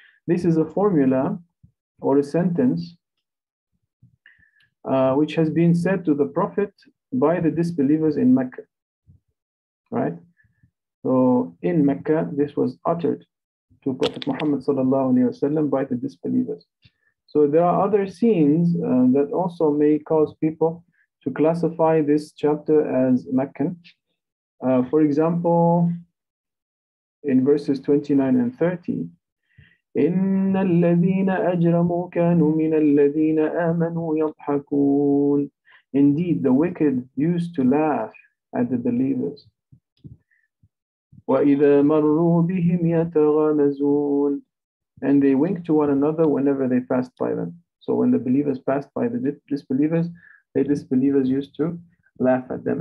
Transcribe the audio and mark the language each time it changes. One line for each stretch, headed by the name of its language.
English: This is a formula or a sentence which has been said to the Prophet by the disbelievers in Mecca. Right? So, in Mecca, this was uttered to Prophet Muhammad sallallahu alayhi wasallam by the disbelievers. So there are other scenes that also may cause people to classify this chapter as Meccan. For example, in verses 29 and 30,
Arabic: إِنَّ الَّذِينَ أَجْرَمُوا كَانُوا مِنَ الَّذِينَ آمَنُوا يَضْحَكُونَ.
English: Indeed, the wicked used to laugh at the believers.
Arabic: وَإِذَا مَرُّوا بِهِمْ يَتَغَامَزُونَ.
English: And they wink to one another whenever they passed by them. So when the believers passed by the disbelievers, the disbelievers used to laugh at them.